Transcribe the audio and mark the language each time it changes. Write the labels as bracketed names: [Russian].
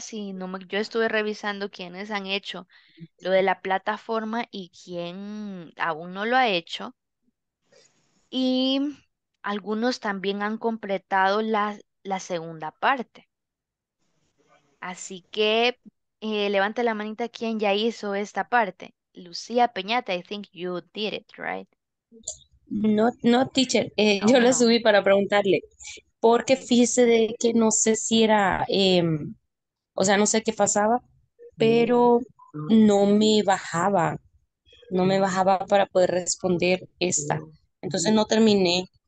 [Spanish] Sí, no me, yo estuve revisando quiénes han hecho lo de la plataforma y quién aún no lo ha hecho. Y algunos también han completado la segunda parte. Así que levante la manita quien ya hizo esta parte. [English] Lucía Peñate, I think you did it, right? [Spanish] No, no, teacher. Yo la subí para preguntarle. Porque fíjese de que no sé si era, o sea, no sé qué pasaba, pero no me bajaba para poder responder esta. Entonces no terminé.